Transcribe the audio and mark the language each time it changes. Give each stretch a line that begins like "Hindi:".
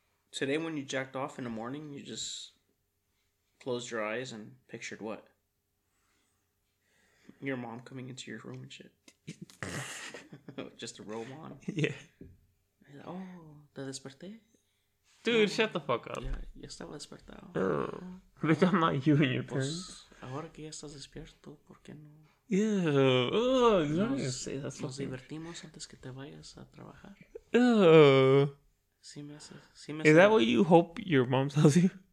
English: Today when you jacked off in the morning, you just closed your eyes and pictured what? Your mom coming into your room and shit. Just a robe on. Yeah.
Spanish: Oh, te desperté?
English: Dude, yeah. Shut the fuck up.
Spanish: Ya estaba despertado.
English: Bitch, I'm not you and your parents.
Spanish: Ahora que ya estás despierto, ¿por qué no?
English: Ew.
Spanish: Nos divertimos antes que te vayas a trabajar.
English: Ew. Is that what you hope your mom tells you?